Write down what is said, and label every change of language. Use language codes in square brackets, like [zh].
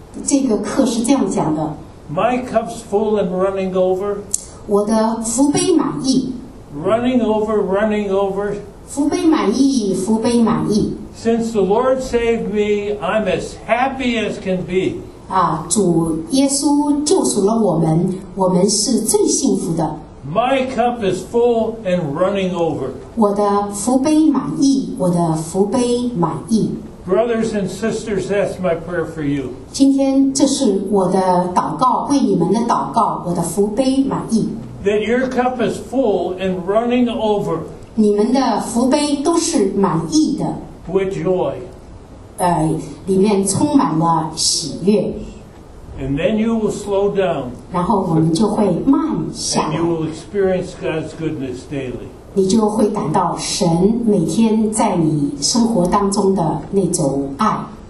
[zh] 这个课是这样讲的。 [en] My cup's full and running over. [zh] 我的福杯满溢 [en] Running over, running over [zh] 福杯满溢，福杯满溢 [en] Since the Lord saved me, I'm as happy as can be [zh] 啊，主耶稣救赎了我们，我们是最幸福的 [en] My cup is full and running over [zh] 我的福杯满溢，我的福杯满溢 [en] Brothers and sisters, that's my prayer for you [zh] 今天这是我的祷告，为你们的祷告，我的福杯满溢。 [en] That your cup is full and running over. [zh] 你们的福杯都是满溢的。 [en] With joy. [zh] 里面充满了喜悦。 [en] And then you will slow down. [zh] 然后我们就会慢下来。 [en] And you will experience God's goodness daily. [zh] 你就会感到神每天在你生活当中的那种爱。